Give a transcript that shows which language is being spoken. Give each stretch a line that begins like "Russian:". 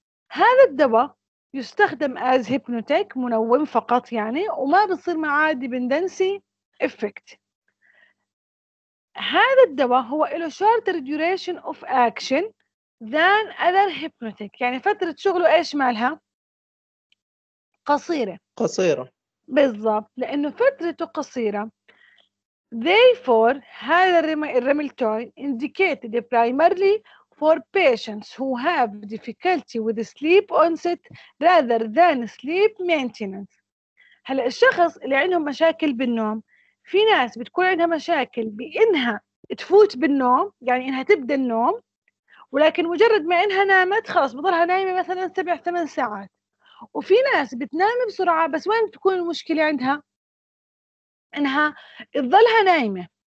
Arabic: هذا الدواء يستخدم
English: as hypnotic
Arabic: منوم فقط يعني، وما بيصير معاه
English: dependency effect.
Arabic: هذا الدواء هو له
English: shorter duration of action than other hypnotic،
Arabic: يعني فترة شغله إيش مالها؟ قصيرة. قصيرة بالضبط لأنه فترته قصيرة.
English: Therefore,
Arabic: هذا الرملتوين
English: indicated primarily for patients who have difficulty with sleep onset rather than sleep maintenance.
Arabic: هلأ الشخص اللي عندهم مشاكل بالنوم، في ناس بتكون عندها مشاكل بإنها تفوت بالنوم، يعني إنها تبدأ النوم، ولكن مجرد ما إنها نامت خلاص بضلها نايمة مثلاً 7-8 ساعات. وفي ناس بتنام بسرعة بس وين بتكون المشكلة عندها؟ انها تظلها نايمه.